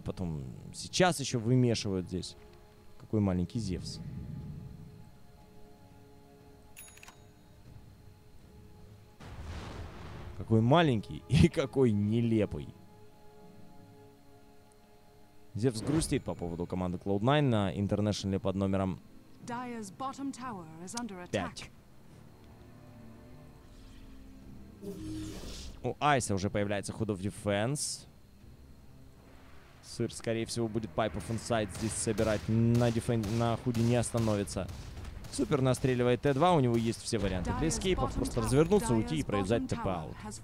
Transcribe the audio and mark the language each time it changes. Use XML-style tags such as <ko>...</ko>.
<ru>Потом сейчас еще вымешивают здесь. Какой маленький Зевс. Какой маленький и какой нелепый. Зевс грустит по поводу команды Cloud9 на International под номером...</ru> <en>Dire's bottom tower is under attack.</en> <ru>У Айса уже появляется Hood of Defense. Сыр, скорее всего, будет Pipe of Insight здесь собирать. На худе не остановится. Супер настреливает Т2. У него есть все варианты для эскейпов. Просто развернуться, уйти и проезжать ТП-аут.</ru>